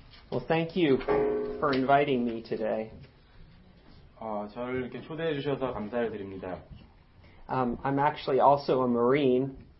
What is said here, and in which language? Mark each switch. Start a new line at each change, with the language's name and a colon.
English: Well, thank you for inviting me today.
Korean: 저를 이렇게 초대해 주셔서 감사드립니다.
English: I'm actually also a Marine.